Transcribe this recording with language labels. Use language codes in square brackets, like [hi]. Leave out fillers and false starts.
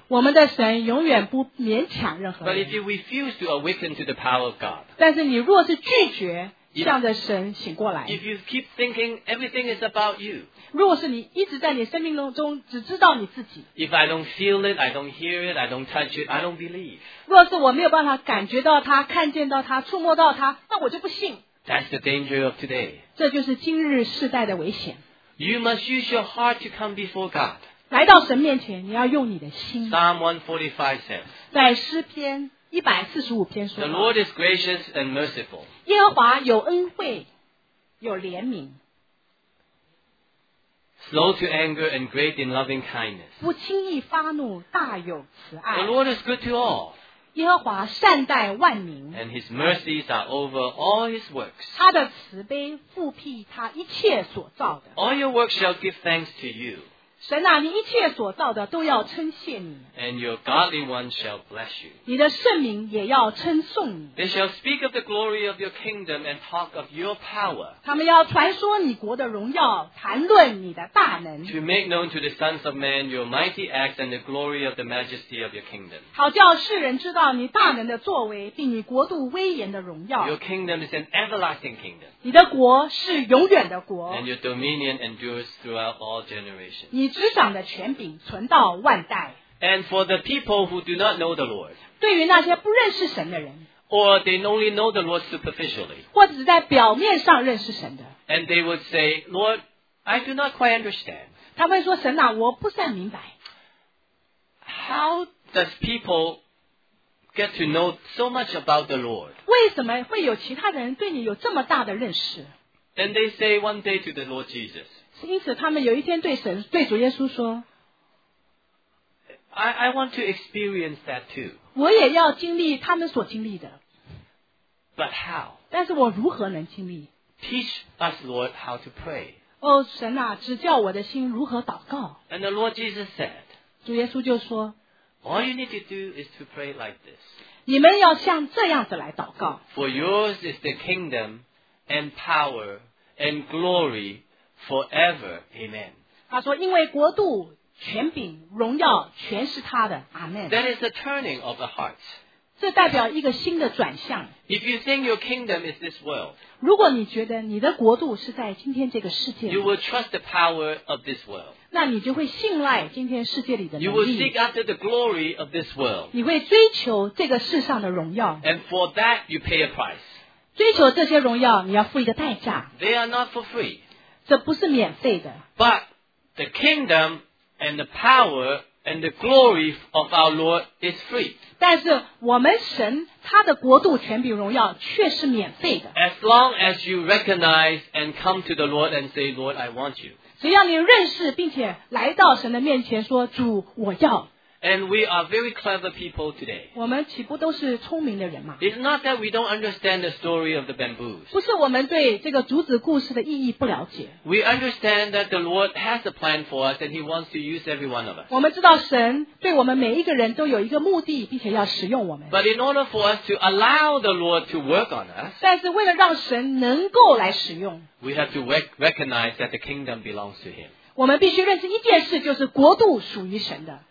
[zh] 我们的神永远不勉强任何人。 [en] But if you refuse to awaken to the power of God. [zh] 但是你若是拒绝向着神醒过来。 [en] If you keep thinking everything is about you， [zh] 如果是你一直在你生命中只知道你自己。 [en] If I don't feel it, I don't hear it, I don't touch it, I don't believe。 [zh] 若是我没有办法感觉到它、看见到它、触摸到它，那我就不信。 [en] That's the danger of today。 [zh] 这就是今日世代的危险。 [en] You must use your heart to come before God。 [zh] 来到神面前，你要用你的心。 [en] Psalm 145 says。 [zh] 在诗篇。145篇说 [en] The Lord is gracious and merciful. [zh] 耶和华有恩惠有怜悯 [en] Slow to anger and great in loving kindness. [zh] 不轻易发怒大有慈爱 [en] The Lord is good to all. [zh] 耶和华善待万民 [en] And his mercies are over all his works. [zh] 他的慈悲覆庇他一切所造的 [en] All your works shall give thanks to you. [zh] 神啊你一切所造的都要称谢你 [en] And your godly one shall bless you [zh] 你的圣名也要称颂你 [en] They shall speak of the glory of your kingdom and talk of your power [zh] 他们要传说你国的荣耀谈论你的大能 [en] To make known to the sons of men your mighty acts and the glory of the majesty of your kingdom [zh] 好叫世人知道你大能的作为并你国度威严的荣耀 [en] Your kingdom is an everlasting kingdom [zh] 你的国是永远的国 [en] And your dominion endures throughout all generations [zh] 执掌的权柄存到万代。 [en] And for the people who do not know the Lord， [zh] 对于那些不认识神的人 [en] ，or they only know the Lord superficially， [zh] 或者在表面上认识神的 [en] ，and they would say， Lord， I do not quite understand。 [zh] 他会说神啊，我不算明白。 [en] How does people get to know so much about the Lord？ [zh] 为什么会有其他的人对你有这么大的认识 [en] ？And they say one day to the Lord Jesus。 [zh] 因此他们有一天对神对主耶稣说 [en] I want to experience that too [zh] 我也要经历他们所经历的 [en] But how [zh] 但是我如何能经历 [en] Teach us Lord how to pray [zh] 哦神啊指教我的心如何祷告 [en] And the Lord Jesus said [zh] 主耶稣就说 [en] All you need to do is to pray like this [zh] 你们要像这样子来祷告 [en] For yours is the kingdom and power and glory Forever, Amen. [zh] 他说，因为国度、权柄、荣耀，全是他的。 [en] Amen. That is the turning of the heart. [zh] 这代表一个新的转向。 [en] If you think your kingdom is this world, [zh] 如果你觉得你的国度是在今天这个世界， [en] you will trust the power of this world. [zh] 那你就会信赖今天世界里的能力。 [en] You will seek after the glory of this world. [zh] 你会追求这个世上的荣耀。 [en] And for that, you pay a price. [zh] 追求这些荣耀，你要付一个代价。 [en] They are not for free. [zh] 这不是免费的。 [en] But the kingdom and the power and the glory of our Lord is free. [zh] 但是我们神他的国度权柄荣耀却是免费的。 [en] As long as you recognize and come to the Lord and say, Lord, I want you. [zh] 只要你认识并且来到神的面前说主我要。 [en] And we are very clever people today. [zh] 我们岂不都是聪明的人吗？ [en] It's not that we don't understand the story of the bamboos. [zh] 不是我们对这个竹子故事的意义不了解。 [en] We understand that the Lord has a plan for us and he wants to use every one of us. [zh] 我们知道神对我们每一个人都有一个目的并且要使用我们。 [en] But in order for us to allow the Lord to work on us, [zh] 但是为了让神能够来使用 [en] we have to recognize that the kingdom belongs to him. [zh] 我们必须认识一件事就是国度属于神的。